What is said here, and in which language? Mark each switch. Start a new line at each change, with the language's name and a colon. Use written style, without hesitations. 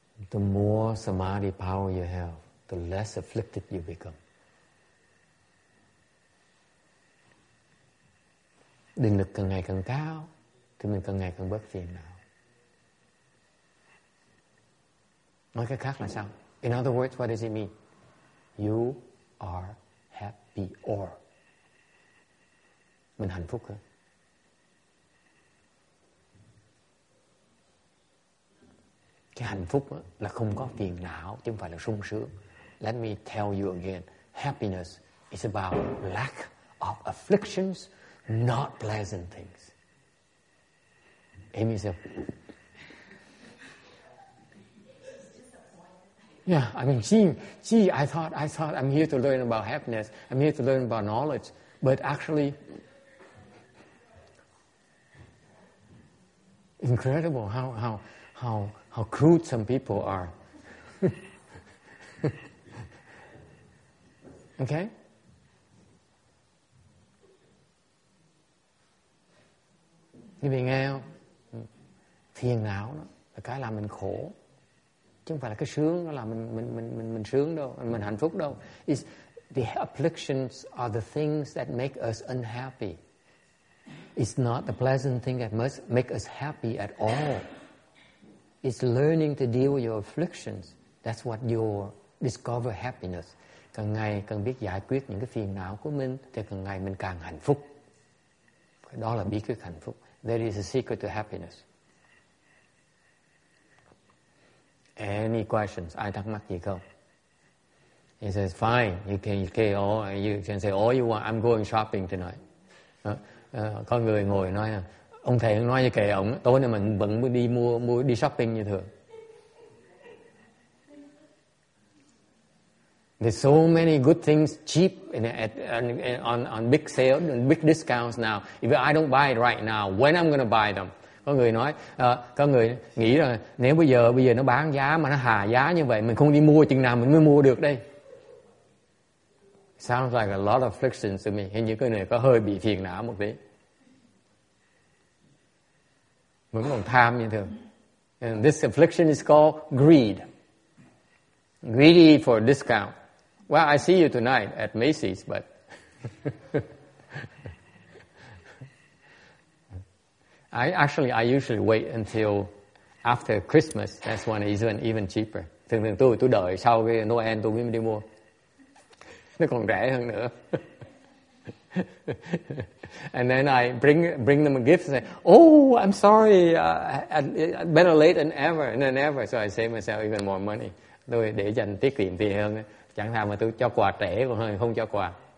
English: The more samadhi power you have, the less afflicted you become.
Vietnamese: Định lực càng ngày càng cao, thì mình càng ngày càng bớt phiền não. Nói cách khác là sao?
English: In other words, what does it mean? You are happier.
Vietnamese: Mình hạnh phúc hơn. Cái hạnh phúc là không có phiền não, chứ không phải là sung sướng.
English: Let me tell you again, happiness is about lack of afflictions, not pleasant things. Amy said, yeah, I mean, gee, I thought I'm here to learn about happiness, I'm here to learn about knowledge, but actually, incredible how crude some people are. Okay?
Vietnamese: Như vậy nghe không? Phiền não đó là cái làm mình khổ. Chứ không phải là cái sướng đó là mình sướng đâu, mình hạnh phúc đâu.
English: It's the afflictions are the things that make us unhappy. It's not the pleasant thing that must make us happy at all. It's learning to deal with your afflictions. That's what you'll discover happiness.
Vietnamese: Càng ngày càng biết giải quyết những cái phiền não của mình thì càng ngày mình càng hạnh phúc. Đó là bí quyết hạnh phúc.
English: There is a secret to happiness. Any questions?
Vietnamese: Ai thắc mắc gì không?
English: He says, fine, you can say all you want, I'm going shopping tonight.
Vietnamese: Có người ngồi nói, ông thầy nói như kệ ông, tối nay mình vẫn đi shopping như thường.
English: There's so many good things cheap on big sales and big discounts now. If I don't buy it right now, when I'm going to buy them?
Vietnamese: Có người nói, có người nghĩ rằng nếu bây giờ nó bán giá mà nó hạ giá như vậy, mình không đi mua chừng nào mình mới mua được đây.
English: Sounds like a lot of friction to me.
Vietnamese: Hình như cái này có hơi bị phiền não một tí. Vẫn còn tham như thường.
English: And this affliction is called greed. Greedy for discount. Well, I see you tonight at Macy's, but... I usually wait until after Christmas. That's when it's even cheaper.
Vietnamese: Thường thường tôi đợi sau cái Noel tôi mới đi mua. Nó còn rẻ hơn nữa.
English: And then I bring them a gift and say, oh, I'm sorry, better late than ever, and then ever. So I save myself even more money.
Vietnamese: Tôi để dành tiết kiệm tiền hơn. Chẳng thà mà tôi cho quà trễ còn hơn không cho quà.